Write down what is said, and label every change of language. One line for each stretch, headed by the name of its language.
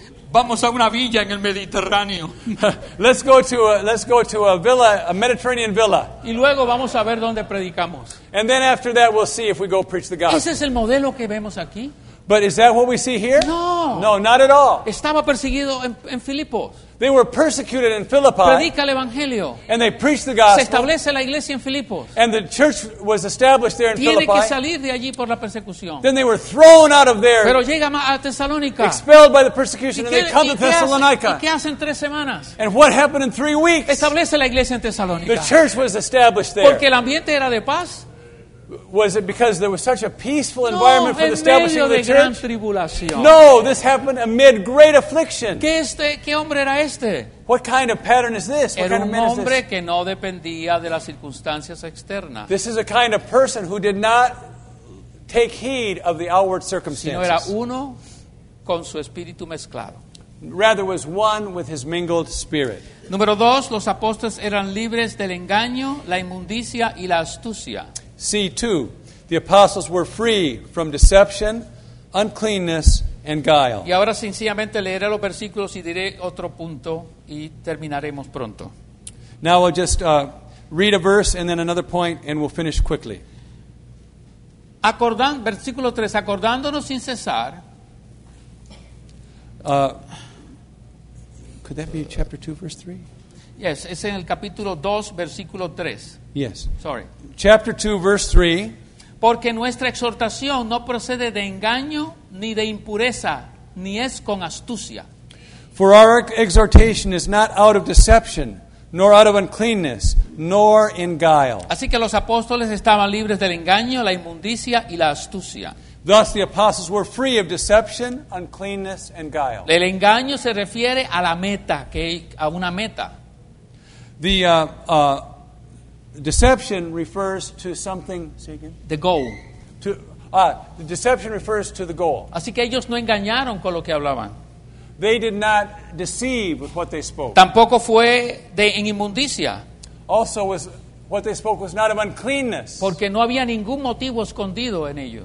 Spanish: Vamos a una villa en el Mediterráneo.
English: let's go to a villa, a Mediterranean villa.
Spanish: Y luego vamos a ver dónde predicamos.
English: And then after that we'll see if we go preach the gospel.
Spanish: ¿Ese es el modelo que vemos aquí?
English: But is that what we see here?
Spanish: No.
English: No, not at all.
Spanish: Estaba perseguido en Filipos.
English: They were persecuted in Philippi.
Spanish: Predica el evangelio.
English: And they preached the gospel.
Spanish: Se establece la iglesia en Filipos.
English: And the church was established there in
Spanish: Tiene
English: Philippi.
Spanish: Que salir de allí por la persecución.
English: Then they were thrown out of there.
Spanish: Pero llega a Tesalónica.
English: Expelled by the persecution, and they come to Thessalonica.
Spanish: ¿Y qué hacen tres semanas?
English: And what happened in 3 weeks?
Spanish: Establece la iglesia en Tesalónica.
English: The church was established there.
Spanish: Porque el ambiente era de paz.
English: Was it because there was such a peaceful environment for the establishing of the church?
Spanish: Gran tribulación.
English: No, this happened amid great affliction.
Spanish: ¿Qué qué hombre era este?
English: What kind of pattern is this?
Spanish: Era
English: what kind
Spanish: un
English: of man
Spanish: hombre
English: is this?
Spanish: Que no dependía de las circunstancias externas.
English: This is a kind of person who did not take heed of the outward circumstances.
Spanish: Sino era uno con su espíritu mezclado.
English: Rather was one with his mingled spirit.
Spanish: Número dos, los apóstoles eran libres del engaño, la inmundicia y la astucia.
English: C2, the apostles were free from deception, uncleanness, and guile.
Spanish: Y ahora sencillamente leeré los versículos y diré otro punto y terminaremos pronto.
English: Now I'll just read a verse and then another point and we'll finish quickly.
Spanish: Versículo 3, acordándonos sin cesar.
English: Could that be chapter 2, verse 3? Yes,
Spanish: es en el capítulo 2, versículo 3.
English: Yes. Sorry. Chapter 2, verse 3. Porque nuestra exhortación no procede de engaño, ni de impureza, ni es con astucia. For our exhortation is not out of deception, nor out of uncleanness, nor in guile. Así que los apóstoles estaban libres del engaño, la inmundicia y la astucia. Thus the apostles were free of deception, uncleanness, and guile. El engaño se refiere a la meta, que a una meta. The deception refers to something. Say again. The goal. The deception refers to the goal.
Spanish: Así que ellos no engañaron con lo que hablaban.
English: They did not deceive with what they spoke.
Spanish: Tampoco fue en inmundicia.
English: Also, what they spoke was not of uncleanness.
Spanish: Porque no había ningún motivo escondido en ellos.